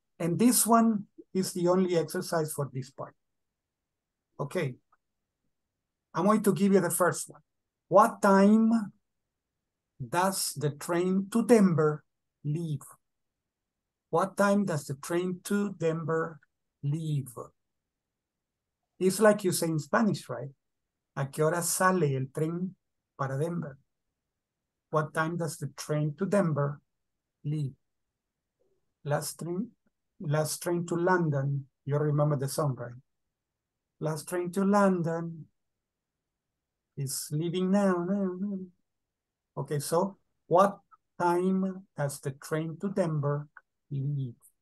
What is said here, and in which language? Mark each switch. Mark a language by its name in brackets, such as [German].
[English] And this one is the only exercise for this part. Okay. I'm going to give you the first one. What time does the train to Denver leave? What time does the train to Denver leave? It's like you say in Spanish, right? [Spanish] ¿A qué hora sale el tren para Denver? [English] What time does the train to Denver leave? Last train to London. You remember the song, right? Last train to London. Is leaving now. Okay, so what time does the train to Denver leave?